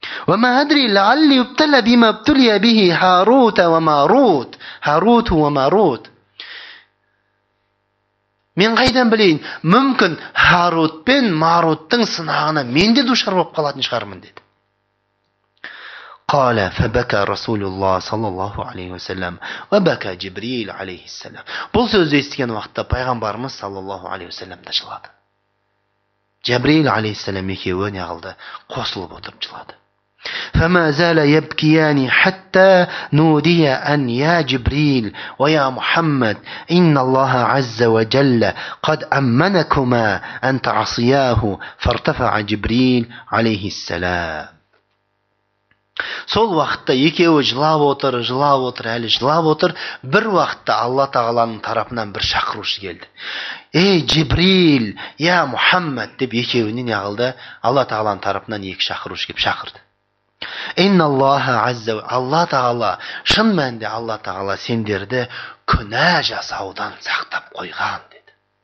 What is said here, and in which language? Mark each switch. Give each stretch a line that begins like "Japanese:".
Arabic: وَمَا أَدْرِي لَعَلِّي أُبْتَلَى بِمَا ابْتُلِيَ بِهِ هَارُوتَ وَمَارُوتَ. هَارُوتُ وَمَارُوتَ.
Kazakh: Мен қайдан білейін, мүмкін Харут пен Маруттың сынағына мен де душар болып қалатын шығармын, дейді.
Arabic: قال فبكى رسول الله صلى الله عليه وسلم وبكى جبريل عليه السلام.
Kazakh: Бұл сөзді естіген уақытта пайғамбарымыз саллаллаху алейхи уассалам да жылады. Жабрейіл алейхиссалам екеуі не қылды? Қосылып отырып жылады.
Arabic: فما زال يبكيان حتى نودي أن يا جبريل ويا محمد إن الله عز وجل قد أمنكما أن تعصياه فارتفع جبريل عليه السلام.
Kazakh: Сол уақытта екеуі жылап отыр, жылап отыр, әлі жылап отыр, бір уақытта Алла Тағаланың тарапынан бір шақырушы келді. «Ей, Джибрил,
Arabic: я Мухаммад!»
Kazakh: деп екеуіне не қылды? Алла Тағаланың тарапынан екі шақырушы келіп шақырды.
Arabic: «Ин Аллаха Аззау,
Kazakh: Алла Тағала, шын мәнде Алла Тағала сендерді күнә жасаудан сақтап қойған», деді.